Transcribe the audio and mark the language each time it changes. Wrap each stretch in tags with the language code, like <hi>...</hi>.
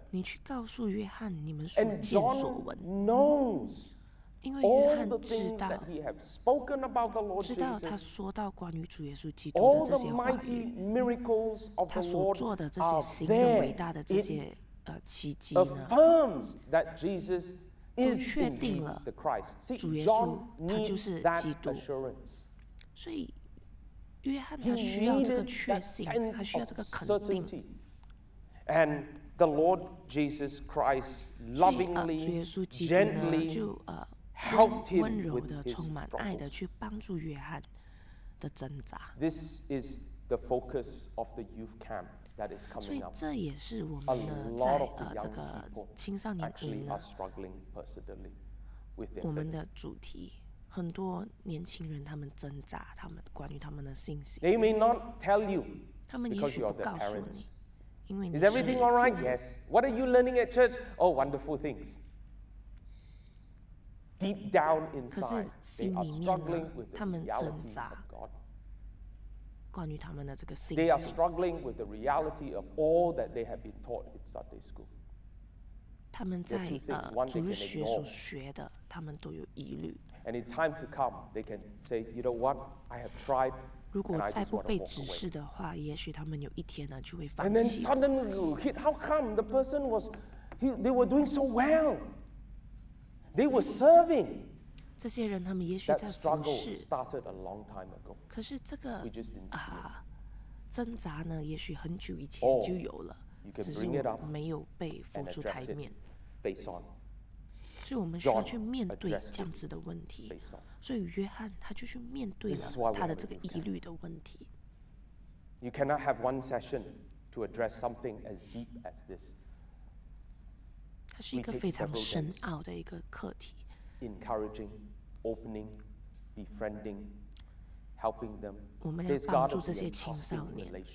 <zh>你去告诉约翰你们所见所闻。</zh> <en>And John knows all the things that he has spoken about the Lord Jesus.</en> <zh>知道他说到关于主耶稣基督的这些话语。</zh> <en>All the mighty miracles of the Lord are there. It affirms that Jesus is indeed the Christ. See, John needs that assurance.</en> <zh>所以约翰他需要这个确信，他需要这个肯定。</zh> <en>And the Lord Jesus Christ lovingly, gently helped him with his struggles. This is the focus of the youth camp that is coming up.</en> <zh>所以这也是我们呢在这个青少年营呢</zh> <en>are struggling personally with their</en> <zh>我们的主题很多年轻人他们挣扎他们关于他们的信心</zh> <en>They may not tell you</en> <zh>他们也许不告诉你</zh> <en>Is everything all right? Yes. What are you learning at church? Oh, wonderful things. Deep down inside, they are struggling with the reality of God.</en> <zh>关于他们的这个信心。</zh> <en>They are struggling with the reality of all that they have been taught in Sunday school.</en> <zh>他们在主日学所学的，他们都有疑虑。</zh> <en>And in time to come, they can say, you know what? I have tried.</en> <zh>如果再不被指示的话，也许他们有一天呢就会放弃。</zh> <en>And then suddenly you hit. How come the person was, they were doing so well. They were serving.</en> <zh>这些人他们也许在服侍。</zh> <en>Started a long time ago.</en> <zh>可是这个挣扎呢，也许很久以前就有了，只是没有被浮出台面。</zh> <en>Based on.</en> <zh>所以我们需要去面对这样子的问题。所以约翰他就去面对了他的这个疑虑的问题。</zh> <en>You cannot have one session to address something as deep as this.</en> <zh>它是一个非常深奥的一个课题。</zh> <en>Encouraging, opening, befriending, helping them.</en> <zh>我们来帮助这些青少年。</zh>